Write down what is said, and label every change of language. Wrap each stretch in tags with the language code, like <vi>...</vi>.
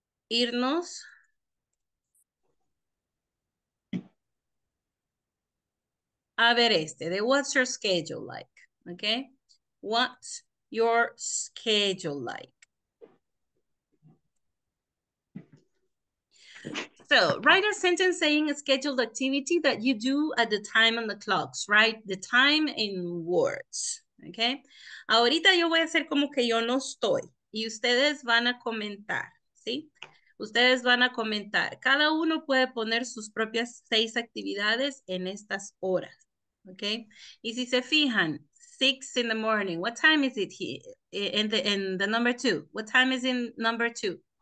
<es>irnos a ver este de</es> <en>what's your schedule like, okay? What's your schedule like? So write a sentence saying a scheduled activity that you do at the time on the clocks. Write the time in words, okay?</en> <es>Ahorita yo voy a hacer como que yo no estoy. Y ustedes van a comentar, ¿sí? Ustedes van a comentar. Cada uno puede poner sus propias 6 actividades en estas horas, ¿ok? Y si se fijan,</es> <en>6 in the morning, what time is it here? In the number 2, what time is in number 2?</en>